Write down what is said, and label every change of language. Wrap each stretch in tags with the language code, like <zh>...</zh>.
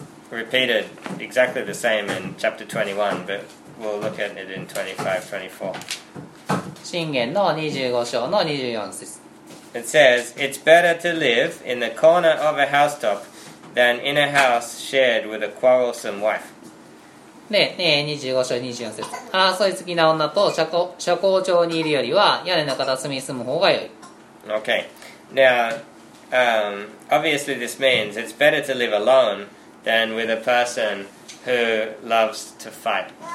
<en>Repeated exactly the same in chapter 21, but we'll look at it in</en> <ja>25:24. 箴言の25章の24節。</ja> <en>It says, It's better to live in the corner of a housetop than in a house shared with a quarrelsome wife.</en> <ja>で、ね、25章24節。争い好きな女と社交場にいるよりは屋根の片隅に住む方がよい。</ja> <en>Okay. Now, obviously this means it's better to live alone. than with a person who loves to fight.</en>